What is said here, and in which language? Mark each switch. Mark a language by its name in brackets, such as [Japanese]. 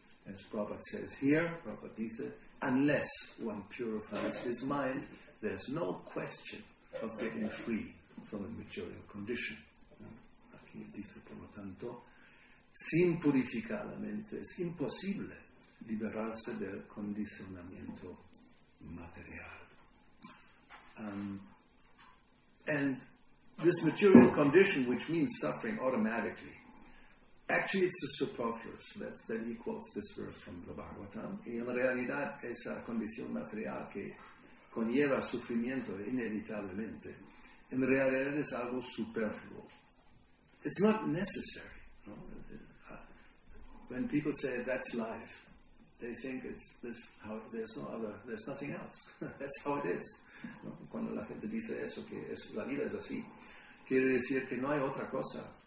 [English] As Prabhupada says here, [Spanish] Prabhupada dice, [English] unless one purifies his mind, there's no question of getting free from a material condition. [Spanish] Aquí dice, por lo tanto, sin purificar la mente es imposible liberarse del condicionamiento material. [English] And this material condition, which means suffering automatically, actually it's a superfluous. That he quotes this verse from the Bhagavatam. [Spanish] Y en realidad esa condición material que conlleva sufrimiento inevitablemente, en realidad es algo superfluo. [English] It's not necessary. No? When people say that's life, they think it's this. How, there's nothing else. That's how it is. ¿No? [Spanish] Cuando la gente dice eso, que es, la vida es así, quiere decir que no hay otra cosa.